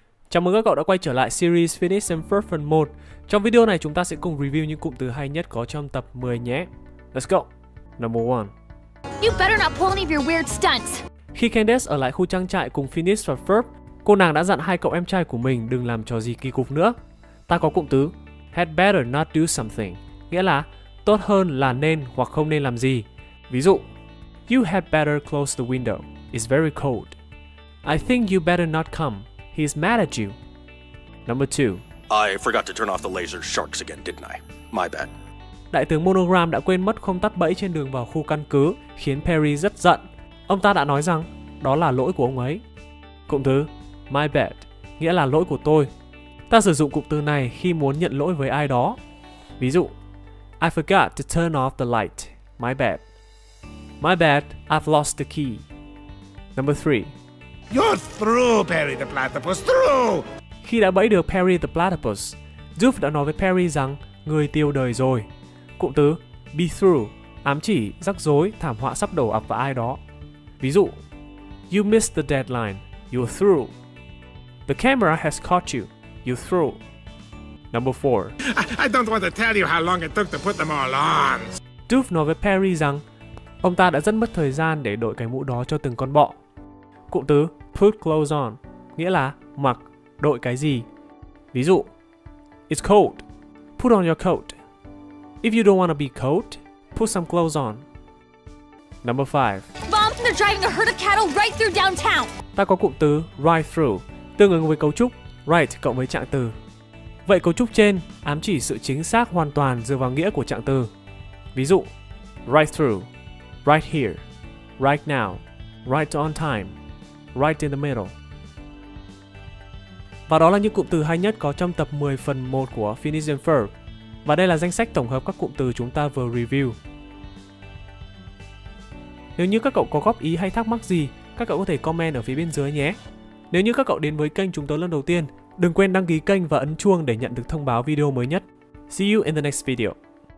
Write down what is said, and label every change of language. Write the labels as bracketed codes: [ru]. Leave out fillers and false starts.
[vi] Chào mừng các cậu đã quay trở lại series Phoenix and Ferb phần 1. Trong video này chúng ta sẽ cùng review những cụm từ hay nhất có trong tập 10 nhé. [en] Let's go! Number 1. You better not pull any of your weird stunts. [vi] Khi Candace ở lại khu trang trại cùng Phoenix và Ferb, cô nàng đã dặn hai cậu em trai của mình đừng làm trò gì kỳ cục nữa. Ta có cụm từ [en] had better not do something, [vi] nghĩa là tốt hơn là nên hoặc không nên làm gì. Ví dụ, [en] you had better close the window, it's very cold. I think you better not come. He's mad at you. Number 2. I forgot to turn off the laser sharks again, didn't I? My bad. [vi] Đại tướng Monogram đã quên mất không tắt bẫy trên đường vào khu căn cứ, khiến Perry rất giận. Ông ta đã nói rằng đó là lỗi của ông ấy. Cụm từ [en] my bad [vi] nghĩa là lỗi của tôi. Ta sử dụng cụm từ này khi muốn nhận lỗi với ai đó. Ví dụ, [en] I forgot to turn off the light. My bad. My bad, I've lost the key. Number 3. You're through, Perry the Platypus, through! [vi] Khi đã bẫy được Perry the Platypus, Doof đã nói với Perry rằng người tiêu đời rồi. Cụm từ be through ám chỉ rắc rối, thảm họa sắp đổ ập vào ai đó. Ví dụ, [en] you missed the deadline, you're through. The camera has caught you, you're through. Number 4. I don't want to tell you how long it took to put them all on. [vi] Doof nói với Perry rằng ông ta đã rất mất thời gian để đội cái mũ đó cho từng con bọ. Cụm từ [en] put clothes on [vi] nghĩa là mặc, đội cái gì. Ví dụ, [en] it's cold, put on your coat. If you don't want to be cold, put some clothes on. Number 5. Bombs and they're driving a herd of cattle right through downtown. [vi] Ta có cụm từ ride through tương ứng với cấu trúc ride cộng với trạng từ. Vậy cấu trúc trên ám chỉ sự chính xác hoàn toàn dựa vào nghĩa của trạng từ. Ví dụ, [en] ride through, right here, right now, right on time, right in the middle. [vi] Và đó là những cụm từ hay nhất có trong tập 10 phần 1 của Phoenix and Ferb. Và đây là danh sách tổng hợp các cụm từ chúng ta vừa review. Nếu như các cậu có góp ý hay thắc mắc gì, các cậu có thể comment ở phía bên dưới nhé. Nếu như các cậu đến với kênh chúng tôi lần đầu tiên, đừng quên đăng ký kênh và ấn chuông để nhận được thông báo video mới nhất. [en] See you in the next video.